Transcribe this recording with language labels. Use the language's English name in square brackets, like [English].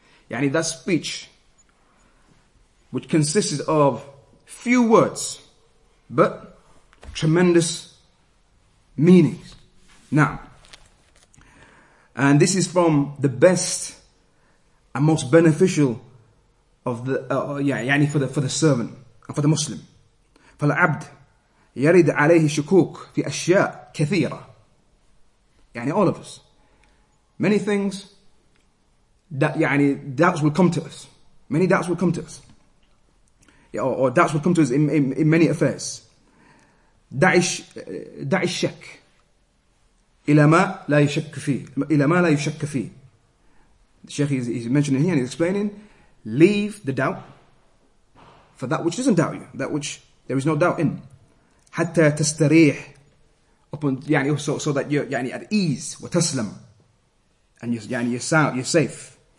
[English] يعني that speech, which consisted of few words, but tremendous meanings. Now, and this is from the best and most beneficial of the for the servant and for the Muslim. [Arabic] فالعبد يرد عليه شكوك في أشياء كثيرة. [English] يعني all of us, many things that يعني doubts will come to us. Many doubts will come to us. Yeah, or doubts will come to us in many affairs. [Arabic] دع الشك إلى ما لا يشك فيه. إلى ما لا يشك فيه. [English] The Sheikh is mentioning here and he's explaining, leave the doubt for that which doesn't doubt you, that which there is no doubt in. [Arabic] حتى تستريح [English] upon يعني so that you're يعني at ease وتسلم and you're safe.